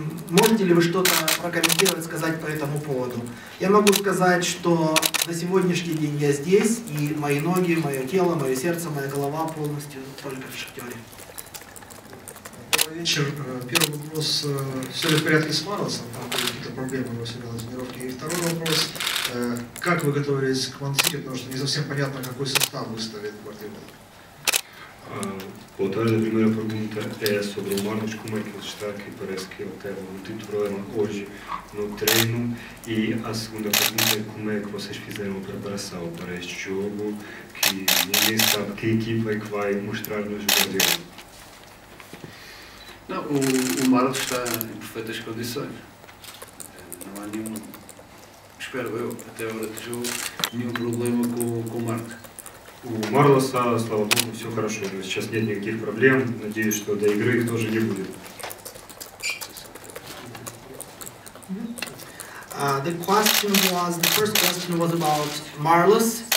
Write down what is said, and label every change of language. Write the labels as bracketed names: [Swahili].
[Russian] Можете ли вы что-то прокомментировать, сказать по этому поводу? Я могу сказать, что на сегодняшний день я здесь, и мои ноги, мое тело, мое сердце, моя голова полностью только в Шахтере. Добрый вечер. Первый вопрос. Все ли в порядке с Маросом? Там были какие-то проблемы у себя на тренировке. И второй вопрос. Как вы готовились к Ман-Сити? Потому что не совсем понятно, какой состав выставит Гвардиола. [Portuguese] Boa tarde, a primeira pergunta é sobre o Marcos, como é que ele está, que parece que ele teve um tipo de problema hoje no treino. E a segunda pergunta é como é que vocês fizeram a preparação para este jogo, que ninguém sabe que equipa é que vai mostrar-nos o Brasil. Não, o Marcos está em perfeitas condições. Não há nenhum, espero eu, até a hora do jogo, nenhum problema com o Marcos. [Russian] У Марлоса, слава богу, все хорошо. Сейчас нет никаких проблем. Надеюсь, что до игры их тоже не будет. [English] The question was, the first question was about Marlos.